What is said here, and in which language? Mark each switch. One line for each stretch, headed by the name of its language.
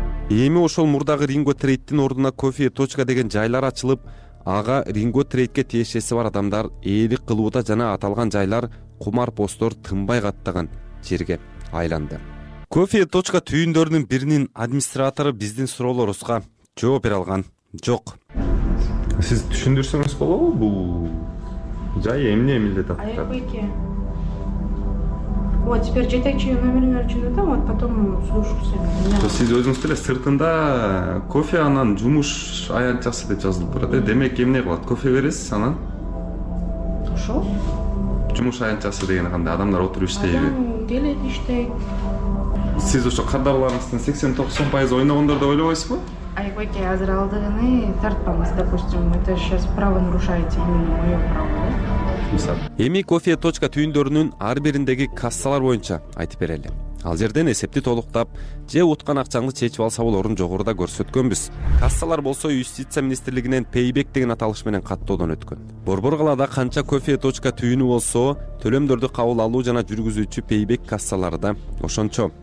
Kyrgyz: Эми ошол мурдагы Ringo Trade'тин ордуна Coffee Точка деген жайлар ачылып, ага Ringo Trade'ке тиешеси бар адамдар ээлик кылууда жана аталган жайлар кумар постор тынбай каттаган жерге айланды. Coffee Точка түйүндөрүнүн биринин администратору биздин суроолорубузга жооп бере алган жок. Сиз түшүндүрсөңүз болобу? Бул жай эмне милдет аткарат? Айыл байке.
Russian: Вот теперь
Kyrgyz: жетекчи номерлерчи жазат,
Russian: вот потом слушаешь.
Kyrgyz: Сиз өзүңүз деле сыртында кофе анан жумуш аянтчасы деп жазылып турат. Демек эмне кылат? Кофе бересиз анан? Ошо. Жумуш аянтчасы деген кандай? Адамдар отуруп иштейби? Адам келет иштейт. Сиз ошо кардарларыңыздын 80-90% ойногондор деп ойлобойсузбу? Айбайке, азыр алдыгыны тартпаңыз,
Russian: допустим, это сейчас право нарушаете именно мое право.
Kyrgyz: Эми кофе точка түйүндөрүнүн ар бириндеги кассалар боюнча айтып берели. Ал жерден эсепти толуктап, же уткан акчаңды чечип алса болорун жогоруда көрсөткөнбүз. Кассалар болсо юстиция министрлигинен Payback деген аталыш менен каттоодон өткөн. Борбор калада канча кофе точка түйүнү болсо, төлөмдөрдү кабыл алуу жана жүргүзүүчү Payback кассалары да ошончо.